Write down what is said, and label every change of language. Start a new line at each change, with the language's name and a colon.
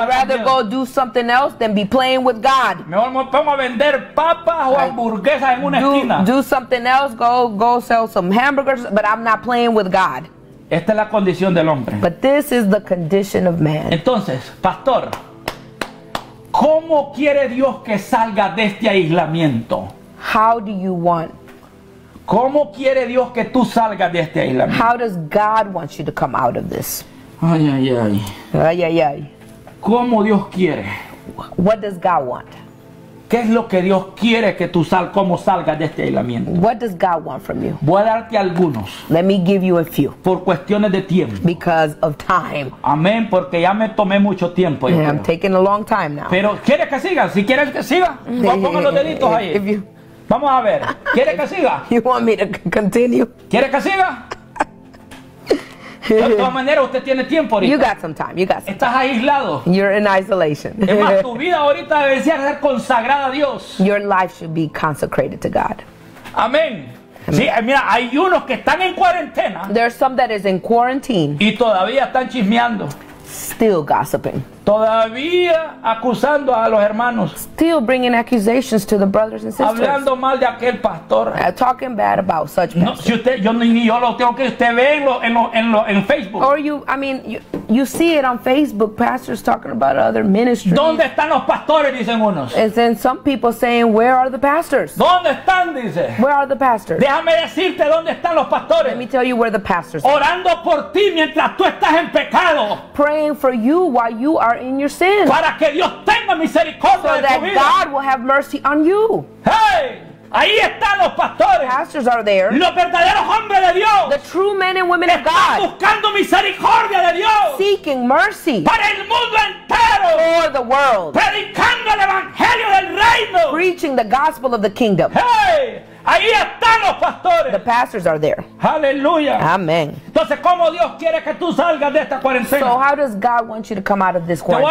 English: I'd rather go do something else than be playing with God.
Spanish: Mejor me pongo a vender papas o hamburguesas en una esquina.
English: Do something else. Go sell some hamburgers, but I'm not playing with God.
Spanish: Esta es la condición del hombre.
English: But this is the condition of man.
Spanish: Entonces, pastor, ¿cómo quiere Dios que salga de este aislamiento?
English: How do you want?
Spanish: ¿Cómo quiere Dios que tú salgas de este aislamiento?
English: How does God want you to come out of this? Ay, ay, ay. Ay, ay, ay.
Spanish: ¿Cómo Dios quiere?
English: What does God want?
Spanish: ¿Qué es lo que Dios quiere que tú salgas de este aislamiento?
English: What does God want from you?
Spanish: Voy a darte algunos.
English: Let me give you a few.
Spanish: Por cuestiones de tiempo.
English: Because of time.
Spanish: Amén, porque ya me tomé mucho tiempo.
English: Yeah, I'm taking a long time now.
Spanish: Pero ¿quieres que siga? Si quieres que siga, ponga los deditos ahí.
English: If you...
Spanish: Vamos a ver. ¿Quieres que siga?
English: You want me to continue?
Spanish: ¿Quieres que siga? De todas maneras, usted tiene tiempo ahorita.
English: You got some time. You got some
Spanish: Estás aislado.
English: You're in isolation.
Spanish: Es más, tu vida ahorita debería ser consagrada a Dios.
English: Your life should be consecrated to God.
Spanish: Amén. Sí, mira, hay unos que están en cuarentena.
English: There are some that is in quarantine.
Spanish: Y todavía están chismeando.
English: Still gossiping.
Spanish: Todavía acusando a los hermanos.
English: Still bringing accusations to the brothers and sisters.
Spanish: Hablando mal de aquel pastor.
English: Talking bad about such pastor.
Spanish: No, si usted, yo ni yo lo tengo que usted ve en Facebook.
English: Or you, I mean, you see it on Facebook. Pastors talking about other ministries.
Spanish: ¿Dónde están los pastores? Dicen unos.
English: And then some people saying, where are the pastors?
Spanish: ¿Dónde están? Dice.
English: Where are the pastors?
Spanish: Déjame decirte dónde están los pastores.
English: Let me tell you where the pastors are.
Spanish: Orando por ti mientras tú estás en pecado.
English: Praying for you while you are in your sins.
Spanish: Para que Dios tenga misericordia
English: that
Spanish: tu vida.
English: God will have mercy on you.
Spanish: Hey, ahí están los pastores.
English: Pastors are there.
Spanish: Los verdaderos hombres de Dios.
English: The true men and women of God.
Spanish: Están buscando misericordia de Dios.
English: Seeking mercy.
Spanish: Para el mundo entero.
English: For the world.
Spanish: Predicando el evangelio del reino.
English: Preaching the gospel of the kingdom.
Spanish: Hey, ahí están los pastores.
English: The pastors are there. Hallelujah. Amen.
Spanish: Entonces, ¿cómo Dios quiere que tú salgas de esta cuarentena?
English: So how does God want you to come out of this quarantine?